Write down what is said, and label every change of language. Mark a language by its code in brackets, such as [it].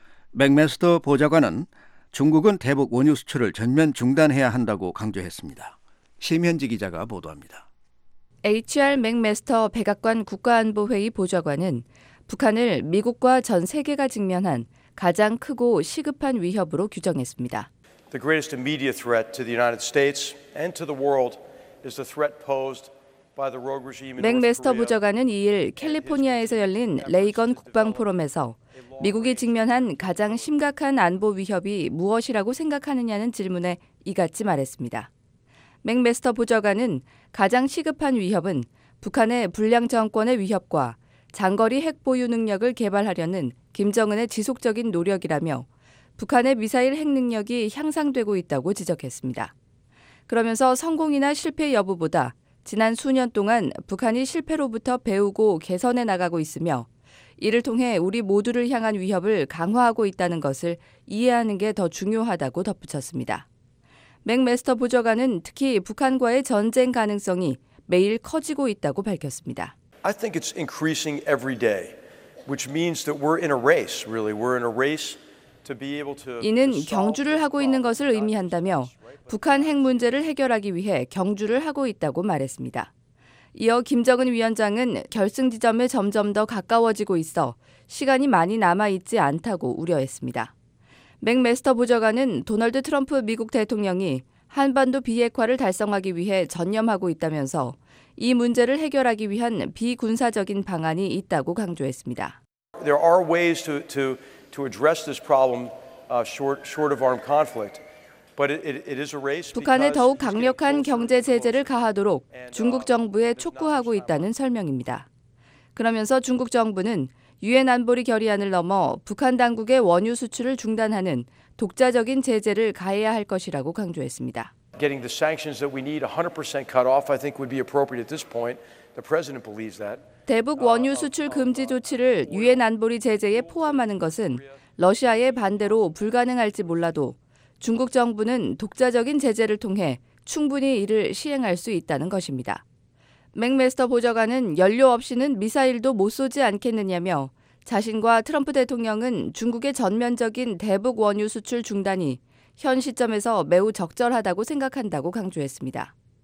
[ko] 맥메스터 보좌관은 중국은 대북 원유 수출을 전면 중단해야 한다고 강조했습니다. 심현지 기자가 보도합니다. [en] H.R. [ko] 맥메스터 백악관 국가안보회의 보좌관은 북한을 미국과 전 세계가 직면한 가장 크고 시급한 위협으로 규정했습니다. [en] The greatest immediate threat to the United States and to the world is the threat posed by the rogue regime. [ko] 맥메스터 보좌관은 이일 캘리포니아에서 열린 레이건 국방 포럼에서 미국이 직면한 가장 심각한 안보 위협이 무엇이라고 생각하느냐는 질문에 이같이 말했습니다. 맥메스터 보좌관은 가장 시급한 위협은 북한의 불량 정권의 위협과 장거리 핵 보유 능력을 개발하려는 김정은의 지속적인 노력이라며 북한의 미사일 핵 능력이 향상되고 있다고 지적했습니다. 그러면서 성공이나 실패 여부보다 지난 수년 동안 북한이 실패로부터 배우고 개선해 나가고 있으며 이를 통해 우리 모두를 향한 위협을 강화하고 있다는 것을 이해하는 게 더 중요하다고 덧붙였습니다. 맥메스터 보좌관은 특히 북한과의 전쟁 가능성이 매일 커지고 있다고 밝혔습니다. [en] I think it's increasing every day, which means that we're in a race, really. We're in a race to be able to. [ko] 이는 경주를 하고 있는 것을 의미한다며 북한 핵 문제를 해결하기 위해 경주를 하고 있다고 말했습니다. 이어 김정은 위원장은 결승 지점에 점점 더 가까워지고 있어 시간이 많이 남아있지 않다고 우려했습니다. 맥메스터 보좌관은 도널드 트럼프 미국 대통령이 한반도 비핵화를 달성하기 위해 전념하고 있다면서 이 문제를 해결하기 위한 비군사적인 방안이 있다고 강조했습니다. [en] There are ways to address this problem short of armed conflict. But it is a race. [ko] 북한에 더욱 강력한 경제 제재를 가하도록 중국 정부에 촉구하고 있다는 설명입니다. 그러면서 중국 정부는 유엔 안보리 결의안을 넘어 북한 당국의 원유 수출을 중단하는 독자적인 제재를 가해야 할 것이라고 강조했습니다. [en] Getting the sanctions that we need 100% cut off, I think would be appropriate at this point. The president believes that. [ko] 대북 원유 수출 금지 조치를 유엔 안보리 제재에 포함하는 것은 러시아의 반대로 불가능할지 몰라도 중국 정부는 독자적인 제재를 통해 충분히 이를 시행할 수 있다는 것입니다. 맥메스터 보좌관은 연료 없이는 미사일도 못 쏘지 않겠느냐며 자신과 트럼프 대통령은 중국의 전면적인 대북 원유 수출 중단이 현 시점에서 매우 적절하다고 생각한다고 강조했습니다.